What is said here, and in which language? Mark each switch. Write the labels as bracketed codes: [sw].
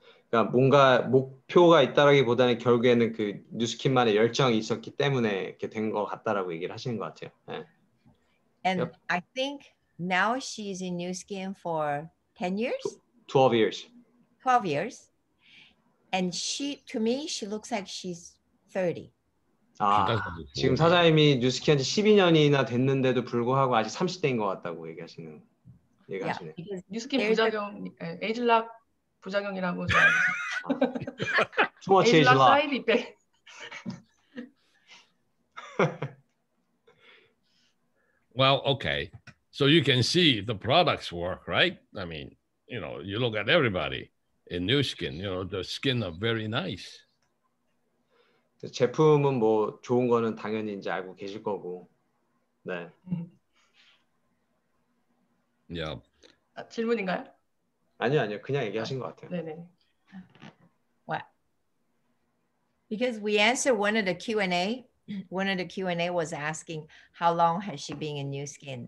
[ko] 그러니까 뭔가 목표가 있다라기보다는 결국에는 그 new skin만의 열정이 있었기 때문에 이렇게 된 것 같다라고 얘기를 하시는 것 같아요. 네. [en] And yep. I think now she's in new skin for 10 years? 12 years. 12 years. And she, to me, she looks like she's 30. [ko] 아, 지금 사장님이 뉴스키한테 12년이나 됐는데도 불구하고 아직 30대인 것 같다고 얘기하시는 얘기하시네. 뉴스키 부작용, 에이즈락 부작용이라고 좀 에이즈락 사이드 [en] 이펙. Well, okay. So you can see the products work, right? I mean, you know, you look at everybody. In new skin, you know, the skin are very nice. [ko] 제품은 뭐 좋은 거는 당연히 이제 알고 계실 거고, 네. [en] Yeah. [ko] 아, 질문인가요? 아니요, 아니요. 그냥 얘기하신 것 같아요. 네네. [en] What? Because we answered one of the Q&A. One of the Q&A was asking how long has she been in new skin.